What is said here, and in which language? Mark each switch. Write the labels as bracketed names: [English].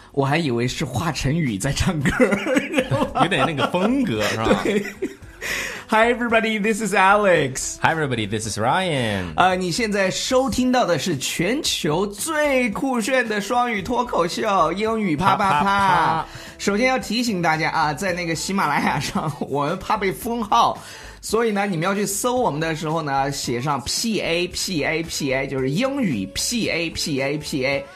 [Chinese] 我还以为是华晨宇在唱歌，有点那个风格是吧？ [English] Hi everybody, this is Alex. Hi everybody, this is Ryan. [Chinese] 你现在收听到的是全球最酷炫的双语脱口秀英语啪啪啪, 啪。首先要提醒大家啊，在那个喜马拉雅上，我们怕被封号，所以呢，你们要去搜我们的时候呢，写上 P A P A P A， 就是英语 P A P A P A。